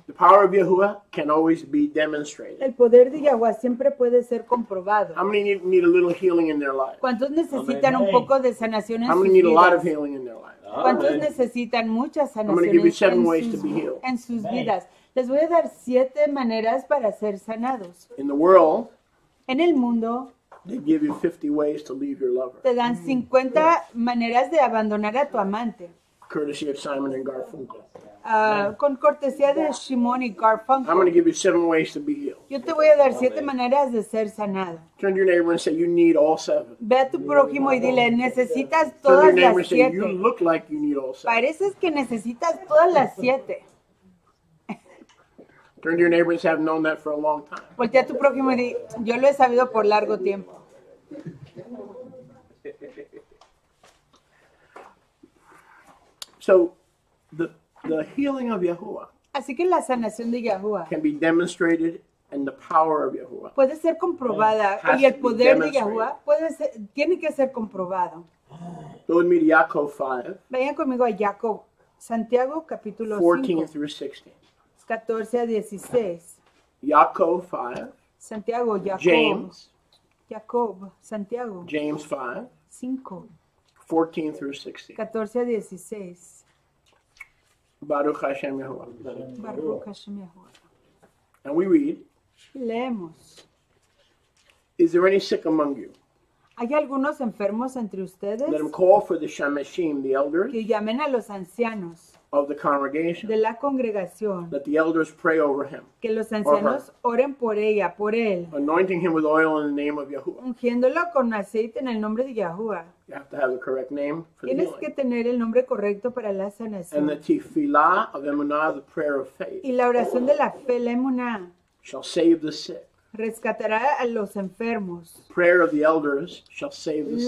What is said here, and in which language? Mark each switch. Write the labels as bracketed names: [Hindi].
[English] The power of Yahuwah can always be demonstrated. [Spanish] El poder de Yahuwah siempre puede ser comprobado. [English] How many need a little healing in their life? [Spanish] ¿Cuántos necesitan un poco de sanación en sus vidas? [English] How many need a lot of healing in their life? [Spanish] ¿Cuántos necesitan mucha sanación en sus vidas? Les voy a dar 7 maneras para ser sanados. [English] In the world, [Spanish] en el mundo, [English] they give you 50 ways to leave your lover. [Spanish] Te dan 50 maneras de abandonar a tu amante. [English] Courtesy of Simon and Garfunkel. [Spanish] Con cortesía de Simon y Garfunkel. [English] I'm going to give you 7 ways to be healed. [Spanish] Yo te voy a dar 7 maneras de ser sanado. [English] Turn to your neighbor and say, you need all 7. [Spanish] Ve a tu prójimo y dile, necesitas todas las 7. [English] Turn to your neighbor and say, you look like you need all 7. [Spanish] Pareces que necesitas todas las 7. [English] Turn to your neighbor and say, I've known that for a long time. [Spanish] Voltea a tu prójimo y di, yo lo he sabido por largo tiempo. [English] So, the healing of Yahuwah. [Spanish] Así que la sanación de Yahuwah. [English] Can be demonstrated in the power of Yahuwah. [Spanish] Puede ser comprobada. Y el poder de Yahuwah tiene que ser comprobado. [English] Go with me to Jacob 5. [Spanish] Vayan conmigo a Jacob. Santiago capítulo [English] 14 5. Through 16. [Spanish] 14 a 16. [English] Jacob 5. [Spanish] Santiago, Jacob. [English] James. [Spanish] Jacob, Santiago. [English] James 5. 5. 14 through 16. [Spanish] 14 a 16. [Hebrew] Baruch Hashem Yahuwah. Baruch Hashem Yahuwah. [English] And we read. [Spanish] Leemos. [English] Is there any sick among you? [Spanish] ¿Hay algunos enfermos entre ustedes? [English] Let them call for the shameshim, the elders. [Spanish] Que llamen a los ancianos. [English] Of the congregation. [Spanish] De la congregación. [English] Let the elders pray over him. [Spanish] Que los ancianos oren por ella, por él. [English] Anointing him with oil in the name of Yahuwah. [Spanish] Ungiéndolo con aceite en el nombre de Yahuwah. [English] You have to have the correct name for [Spanish] Tienes [English] the healing. [Spanish] Tienes que tener el nombre correcto para la sanación. [English] And the tefillah of emunah, the prayer of faith. [Spanish] Y la oración de la fe, la emunah. [English] Shall save the sick. [Spanish] rescatará a los enfermos. [English] The prayer of the elders shall save the sick.